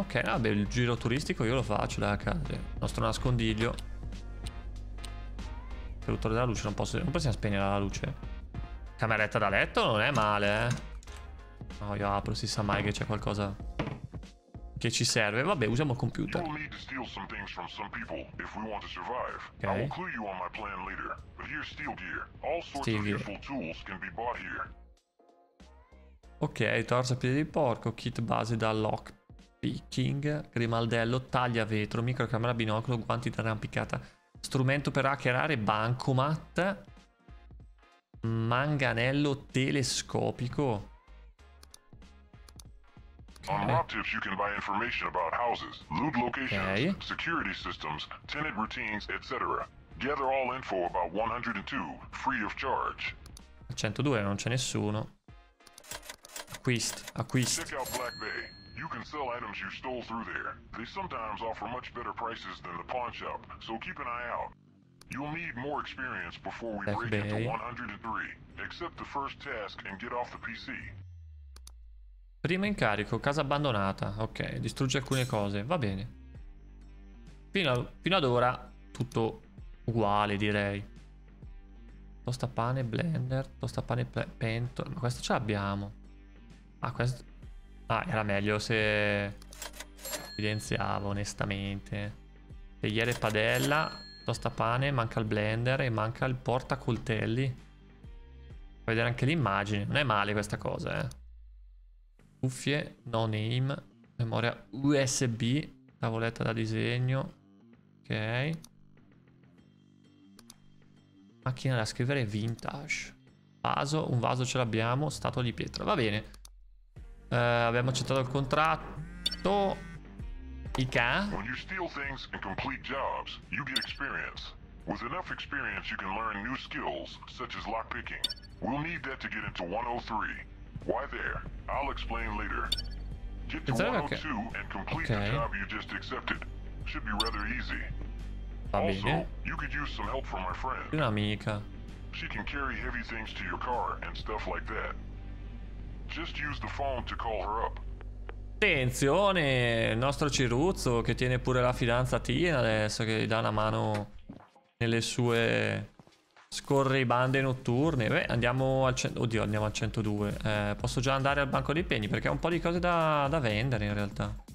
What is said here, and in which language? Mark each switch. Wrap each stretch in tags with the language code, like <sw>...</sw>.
<it>Ok, vabbè, il giro turistico io lo faccio da casa. Il nostro nascondiglio. Interruttore della luce, non possiamo spegnere la luce. Cameretta da letto non è male, eh. No, io apro, si sa mai che c'è qualcosa... che ci serve. Vabbè, usiamo il computer.</it> <en>You'll need to steal some things from some people if we want to survive. Okay. I will clue you on my plan later. But here's steel gear. All sorts of useful tools can be bought here.</en> <it>Ok, torso a piedi di porco, kit base da lock picking, grimaldello, taglia vetro, microcamera, binocolo, guanti da arrampicata, strumento per hackerare, bancomat, manganello telescopico.</it> <en>On Rob Tips you can buy information about houses, loot locations, security systems, tenant routines, etc. Gather all info about 102, free of charge.</en> <it>102 non c'è nessuno. Acquist.</it> <en>Check out Black Bay. You can sell items you stole through there. They sometimes offer much better prices than the pawn shop, so keep an eye out. You'll need more experience before we break into 103. Accept the first task and get off the PC.</en> <it>Primo incarico, casa abbandonata. Ok, distrugge alcune cose. Va bene. Fino ad ora tutto uguale, direi. Tostapane, blender, tostapane, pentola. Ma questo ce l'abbiamo. Ah, questo... Ah, era meglio se... evidenziavo, onestamente. Tegliere e padella, tostapane, manca il blender e manca il portacoltelli. Puoi vedere anche l'immagine. Non è male questa cosa, eh. Cuffie, no name, memoria USB, tavoletta da disegno, ok. Macchina da scrivere vintage. Vaso, un vaso ce l'abbiamo, statua di pietra, va bene. Abbiamo accettato il contratto. Ica.</it> <en>When you steal things and complete jobs, you get experience. With enough experience you can learn new skills, such as lockpicking. We'll need that to get into 103. Why there? I'll explain later. Get to 102 and complete the job you just accepted. Should be rather easy. Also, you could use some help from my friend.</en> <it>Un'amica.</it> <en>She can carry heavy things to your car and stuff like that. Just use the phone to call her up.</en> <it>Attenzione! Il nostro Ciruzzo che tiene pure la fidanzatina adesso, che gli dà una mano nelle sue... Scorre i bande notturne. Beh, andiamo al 102. Oddio, andiamo al 102. Posso già andare al banco dei pegni perché ho un po' di cose da vendere in realtà.</it>